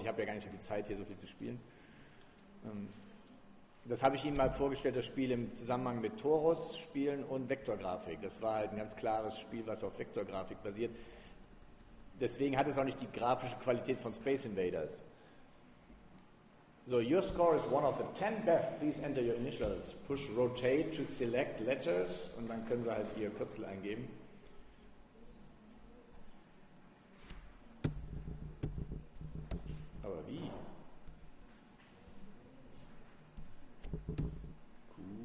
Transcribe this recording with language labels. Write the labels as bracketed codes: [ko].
[de] Ich habe ja gar nicht so viel Zeit, hier so viel zu spielen. Das habe ich Ihnen mal vorgestellt, das Spiel im Zusammenhang mit Torus-Spielen und Vektorgrafik. Das war halt ein ganz klares Spiel, was auf Vektorgrafik basiert. Deswegen hat es auch nicht die grafische Qualität von Space Invaders. [en] So, your score is one of the 10 best. Please enter your initials. Push rotate to select letters. [de] Und dann können Sie halt Ihr Kürzel eingeben. Aber wie? Q.